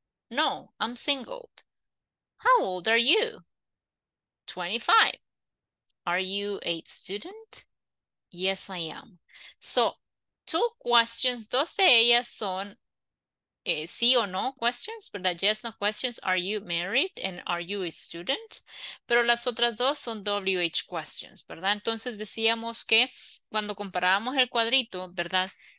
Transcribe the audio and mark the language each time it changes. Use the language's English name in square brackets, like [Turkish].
[English] No, I'm single. How old are you? 25. Are you a student? Yes, I am. So, two questions, [Spanish] dos de ellas son sí o no questions, ¿verdad? [English] Yes, no questions. Are you married and are you a student? [Spanish] Pero las otras dos son WH questions, ¿verdad? Entonces decíamos que cuando comparábamos el cuadrito, ¿verdad?